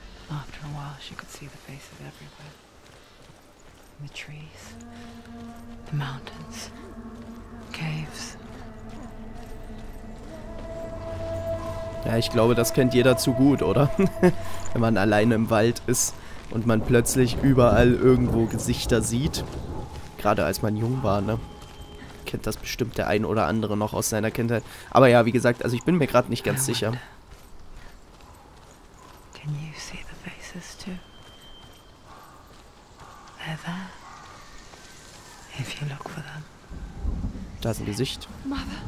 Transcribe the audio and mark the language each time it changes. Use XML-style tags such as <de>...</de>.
<en>After a while, she could see the faces everywhere. In the trees, the mountains, caves.</en> <de>Ja, ich glaube, das kennt jeder zu gut, oder? Wenn man alleine im Wald ist und man plötzlich überall irgendwo Gesichter sieht. Gerade als man jung war, ne? Kennt das bestimmt der ein oder andere noch aus seiner Kindheit. Aber ja, wie gesagt, also ich bin mir gerade nicht ganz sicher.</de> <en>Can you see the faces too? They're there. If you look for them.</en> <de>Da ist ein Gesicht.</de> <en>Mother.</en>